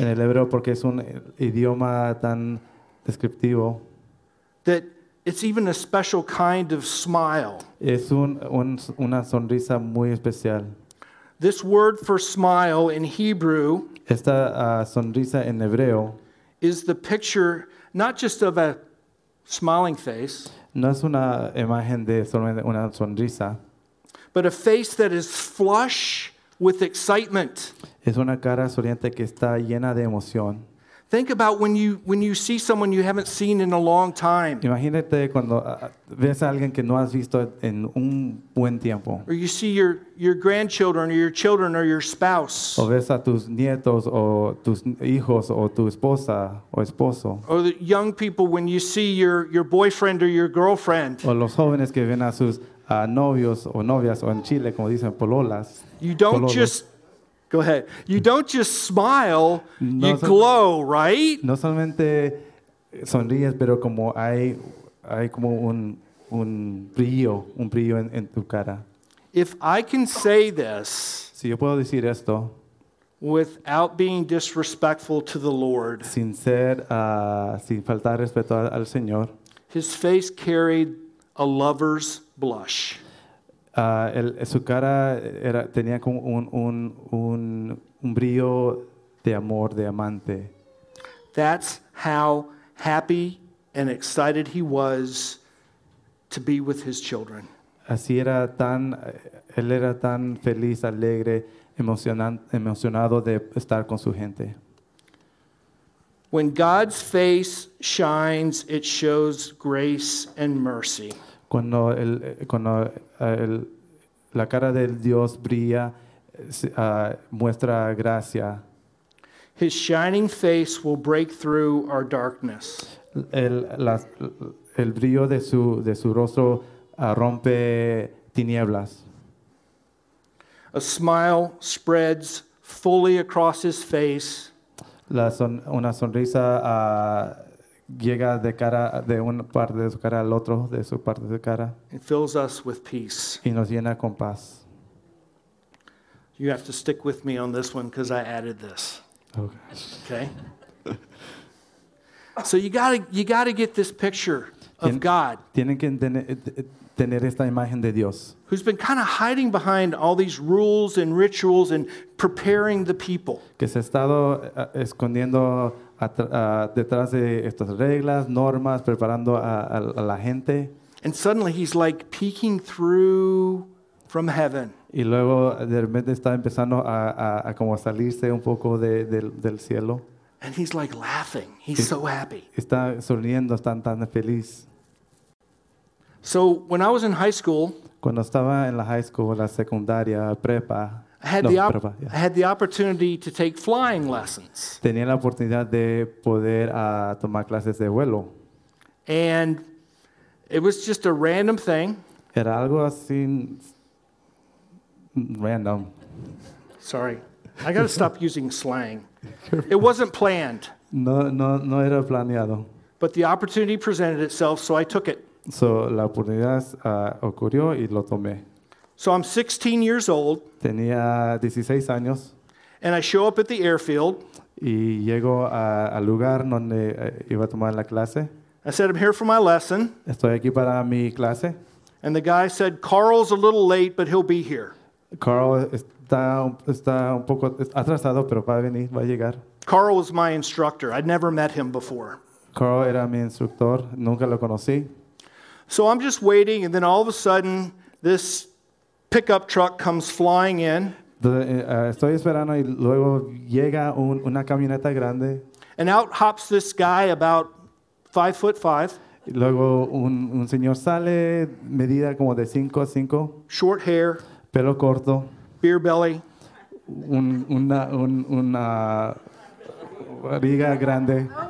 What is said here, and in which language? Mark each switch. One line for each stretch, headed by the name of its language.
Spanish: En el hebreo, porque es un idioma tan descriptivo.
English: That it's even a special kind of smile.
Spanish: Es una sonrisa muy especial.
English: This word for smile in Hebrew.
Spanish: Esta sonrisa en hebreo.
English: Is the picture not just of a smiling face.
Spanish: No es una imagen de solamente una sonrisa.
English: But a face that is flush with excitement.
Spanish: Es una cara sonriente que está llena de emoción.
English: Think about when you see someone you haven't seen in a long time.
Spanish: Imagínate cuando ves a alguien que no has visto en un buen tiempo.
English: Or you see your grandchildren or your children or your spouse.
Spanish: O ves a tus nietos o tus hijos o tu esposa o esposo.
English: Or the young people when you see your boyfriend or your girlfriend.
Spanish: O los jóvenes que ven a sus novios o novias o en Chile como dicen pololas.
English: You don't
Spanish: pololos.
English: Just go ahead. You don't just smile, you glow, right?
Spanish: No solamente sonríes, pero como hay como un brillo en tu cara.
English: If I can say this,
Spanish: si yo puedo decir esto,
English: without being disrespectful to the Lord,
Spanish: sin faltar respeto al Señor,
English: his face carried a lover's blush.
Spanish: Su cara tenía como un brillo de amor, de amante.
English: That's how happy and excited he was to be with his children.
Spanish: Así era tan, él era tan feliz, alegre, emocionado de estar con su gente.
English: When God's face shines, it shows grace and mercy.
Spanish: Cuando la cara del Dios brilla, muestra gracia.
English: His shining face will break through our darkness.
Spanish: El brillo de su rostro rompe tinieblas.
English: A smile spreads fully across his face.
Spanish: Una sonrisa llega de cara de una parte de su cara al otro de su parte de su cara.
English: It fills us with peace.
Spanish: Y nos llena con paz.
English: You have to stick with me on this one because I added this. Okay. Okay. So you gotta get this picture of God.
Spanish: Tienen que tener esta imagen de Dios.
English: Who's been kind of hiding behind all these rules and rituals and preparing the people.
Spanish: Que se ha estado escondiendo detrás de estas reglas, normas, preparando a la gente.
English: And suddenly he's like peeking through from heaven.
Spanish: Y luego de repente está empezando a como salirse un poco del cielo.
English: And he's like laughing. He's so happy.
Spanish: Está sonriendo, está tan feliz.
English: So when I was in high school,
Spanish: cuando estaba en la high school, la secundaria, prepa,
English: I had the opportunity to take flying lessons.
Spanish: Tenía la oportunidad de poder tomar clases de vuelo.
English: And it was just a random thing.
Spanish: Era algo así random.
English: Sorry. I got to stop using slang. It wasn't planned.
Spanish: No era planeado.
English: But the opportunity presented itself, so I took it.
Spanish: So la oportunidad ocurrió y lo tomé.
English: So I'm 16 years old.
Spanish: Tenía 16 años.
English: And I show up at the airfield.
Spanish: Y llego al lugar donde iba a tomar la clase.
English: I said, I'm here for my lesson.
Spanish: Estoy aquí para mi clase.
English: And the guy said, Carl's a little late, but he'll be here.
Spanish: Carl está un poco atrasado, pero va a venir, va a llegar.
English: Carl was my instructor. I'd never met him before.
Spanish: Carl era mi instructor. Nunca lo conocí.
English: So I'm just waiting, and then all of a sudden, this pickup truck comes flying in.
Spanish: Estoy esperando y luego llega una camioneta grande.
English: And out hops this guy about 5 foot five.
Spanish: Luego un señor sale, medida como de 5'5".
English: Short hair.
Spanish: Pelo corto.
English: Beer belly.
Spanish: Una barriga grande.